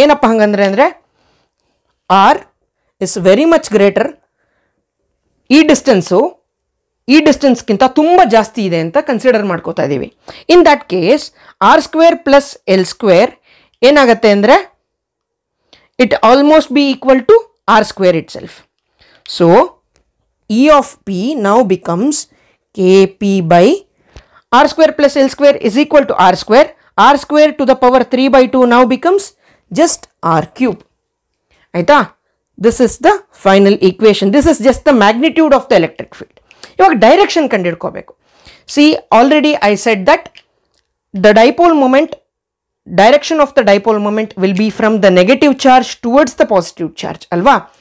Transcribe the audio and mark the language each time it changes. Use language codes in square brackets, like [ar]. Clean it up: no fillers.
[kn] Enappa hangandre andre [en] R is very much greater. [kn] ಈ distance ಈ ಡಿಸ್ಟೆನ್ಸ್ಗಿಂತ ತುಂಬ ಜಾಸ್ತಿ ಇದೆ ಅಂತ ಕನ್ಸಿಡರ್ ಮಾಡ್ಕೋತಾ ಇದ್ದೀವಿ. [en] in that case R square plus L square [kn] ಏನಾಗುತ್ತೆ ಅಂದರೆ [en] It almost be equal to R square itself. So E of P now becomes K P by R square plus L square is equal to R square. R square to the power 3 by 2 now becomes just R cube. [kn] ಆಯಿತಾ? [en] This is the final equation. This is just the magnitude of the electric field. [kn] Ivaga direction kandidkobeku. [en] See, already I said that the dipole moment, direction of the dipole moment will be from the negative charge towards the positive charge alva.